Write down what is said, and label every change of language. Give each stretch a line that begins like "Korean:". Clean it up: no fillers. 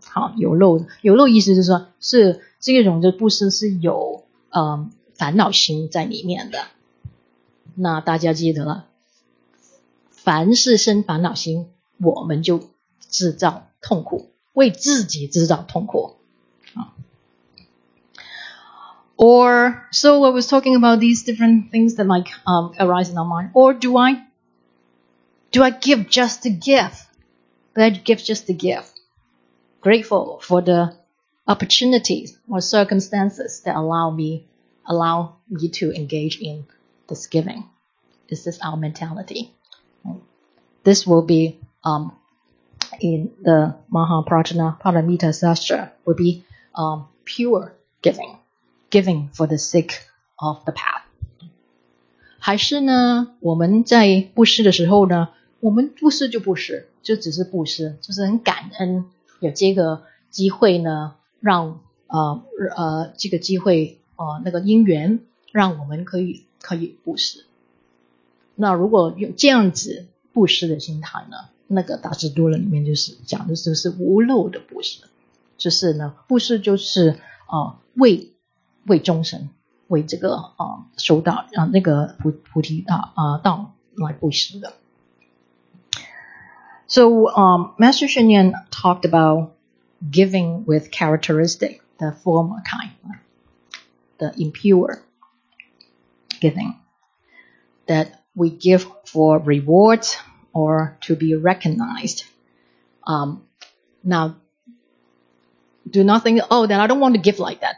Chinese: 好，有漏的，有漏意思就是说是这种的布施是有烦恼心在里面的。那大家记得了，凡是生烦恼心，我们就制造痛苦。为自己制造痛苦。
English: Or, so I was talking about these different things that like, arise in our mind. Or do I give just to give? That give just to give. Grateful for the opportunities or circumstances that allow me to engage in this giving. This is our mentality. This will be, in the Mahaprajna Paramita Sastra would be pure giving for the sake of the path.
Chinese: 还是呢，我们在布施的时候呢，我们布施就布施，就只是布施，就是很感恩有这个机会呢，让这个机会那个因缘让我们可以布施。那如果有这样子布施的心态呢，那个大智度论里面就是讲的就是无漏的布施，就是呢布施就是为众生，为这个修道那个菩提道来布施的。
English: So Master Shen Yan talked about giving with characteristic, the former kind, the impure giving that we give for rewards. Or to be recognized. Now, do not think, oh, then I don't want to give like that.